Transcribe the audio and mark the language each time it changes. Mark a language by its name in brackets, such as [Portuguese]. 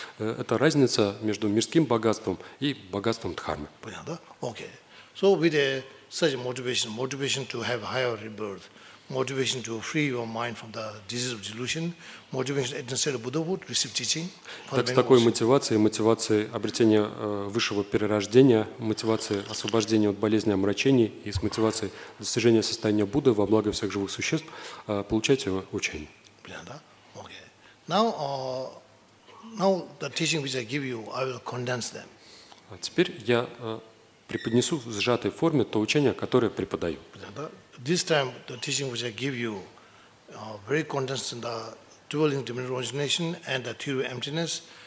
[Russian] Это разница между мирским богатством и богатством дхармы. Понятно? Да? Okay. [English] So with such motivation to have higher rebirth, motivation to free your mind from the disease of delusion, motivation to attain Buddhahood, receive teaching. [Russian] Так с такой мотивацией обретения высшего перерождения, мотивацией освобождения от болезни омрачений и с мотивацией достижения состояния Будды во благо всех живых существ, получать его учение. Понятно? Да? Okay. [English] Now the teaching which I give you, I will condense them. [Russian] А теперь я преподнесу в сжатой форме то учение, которое преподаю. [English] This time the teaching which I give you very condensed in the dual linked dominant origination and the theory of emptiness.